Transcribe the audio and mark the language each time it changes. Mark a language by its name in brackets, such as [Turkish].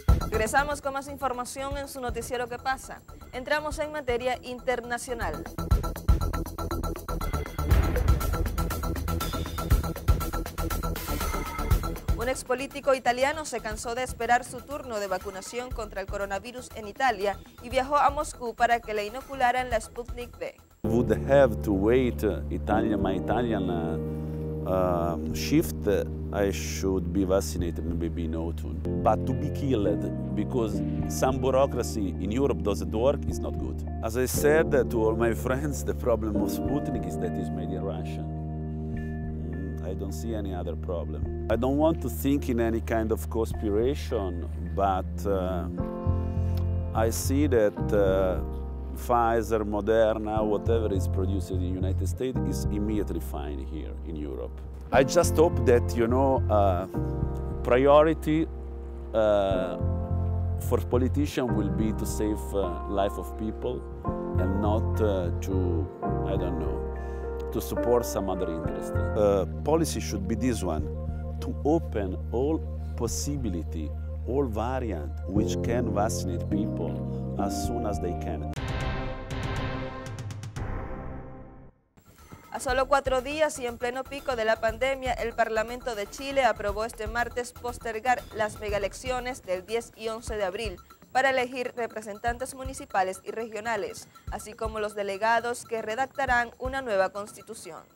[Spanish] Regresamos con más información en su noticiero ¿Qué pasa? Entramos en materia internacional. Un expolítico italiano se cansó de esperar su turno de vacunación contra el coronavirus en Italia y viajó a Moscú para que le inocularan la Sputnik V. [English] Would have to wait Italian my Italian shift. I should be vaccinated maybe in autumn, but to be killed because some bureaucracy in Europe doesn't work is not good. As I said to all my friends, the problem of Sputnik is that it's made in Russia. I don't see any other problem. I don't want to think in any kind of conspiration, but I see that Pfizer, Moderna, whatever is produced in the United States is immediately fine here in Europe. I just hope that, you know, priority for politicians will be to save life of people and not to support some other interest. Policy should be this one, to open all possibility, all variant which can vaccinate people as soon as they can. [Spanish] A solo 4 días y en pleno pico de la pandemia, el Parlamento de Chile aprobó este martes postergar las megaelecciones del 10 y 11 de abril para elegir representantes municipales y regionales, así como los delegados que redactarán una nueva constitución.